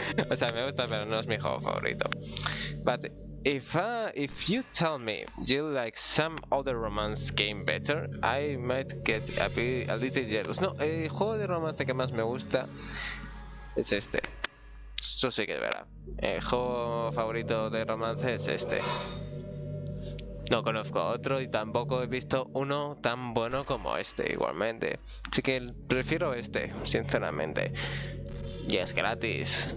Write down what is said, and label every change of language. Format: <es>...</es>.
<es>O sea, me gusta, pero no es mi juego favorito.</es> <en>But if you tell me you like some other romance game better, I might get a little jealous.</en> <es>No, el juego de romance que más me gusta es este. Eso sí que es verdad. El juego favorito de romance es este. No conozco a otro y tampoco he visto uno tan bueno como este, igualmente. Así que prefiero este, sinceramente. Y es gratis.</es>